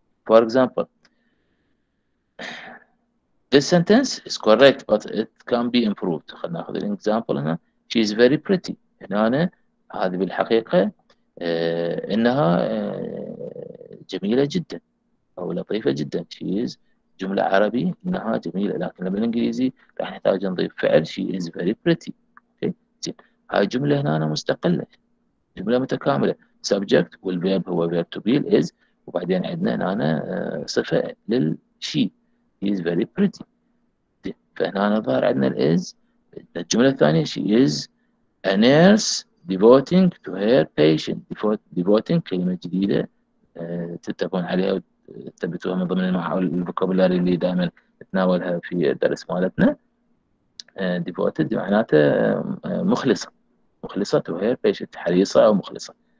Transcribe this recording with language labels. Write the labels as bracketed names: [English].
[English] For example, this sentence is correct but it can be improved. [Arabic] خلينا ناخذ الاكزامبل هنا. [English] She is very pretty. [Arabic] هنا هذه بالحقيقه انها جميله جدا او لطيفه جدا. [English] She is [Arabic] جمله عربي انها جميله، لكن بالانجليزي راح نحتاج نضيف فعل. [English] She is very pretty. [Arabic] زين، هاي جمله هنا مستقله، جمله متكامله. Subject والverb هو verb to be is، وبعدين عندنا هنا صفه للشي. [English] She is very pretty. [Arabic] فهنا ظهر عندنا الإز. الجملة الثانية [English] she is a nurse devoting to her patient. [Arabic] devoting كلمة جديدة تتبعون عليها وتثبتوها من ضمن المحاول الفوكابولاري اللي دائما نتناولها في الدرس مالتنا. devoted معناته مخلصة، مخلصة [English] to her patient، [Arabic] حريصة أو مخلصة.